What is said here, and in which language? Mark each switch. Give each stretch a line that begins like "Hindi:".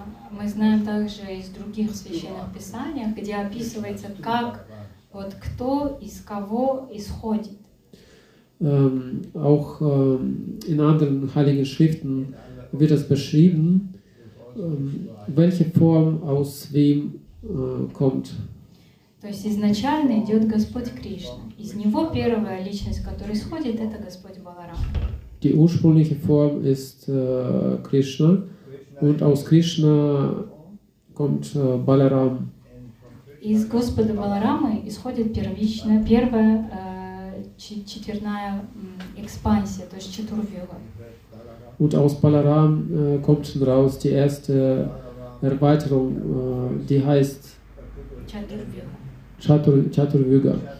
Russian: Мы знаем также из других священных писаний, где описывается, как вот кто из кого исходит.
German: Auch in anderen heiligen Schriften wird das beschrieben. Welche Form aus wem kommt?
Russian: То есть изначально идет Господь Кришна. Из него первая личность, которая исходит, это Господь Баларама.
German: Die ursprüngliche Form ist Krishna und aus Krishna kommt Balaram.
Russian: Из Господа Баларамы исходит первая четверная экспансия, то есть четурвюга.
German: Und aus Balaram kommt dann raus die erste Erweiterung, die heißt Chaturvyuga.